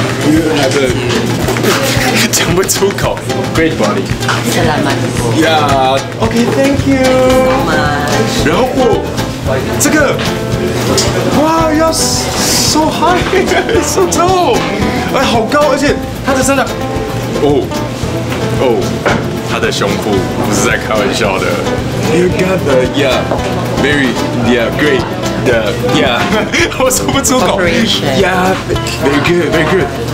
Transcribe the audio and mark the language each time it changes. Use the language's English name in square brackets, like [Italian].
[English] You have a [Chinese] 讲不出口 [English] ，Great body. Yeah. Okay, thank you. you so much. [Chinese] 然后哦，这个，哇 [English] ，Yes, so high, so tall. [Chinese] 哎，好高，而且他的身上，哦，他的胸部不是在开玩笑的。 [English] You got the yeah, very yeah, great the yeah， [Chinese] 我说不出口。 [English] Yeah, very good, very good.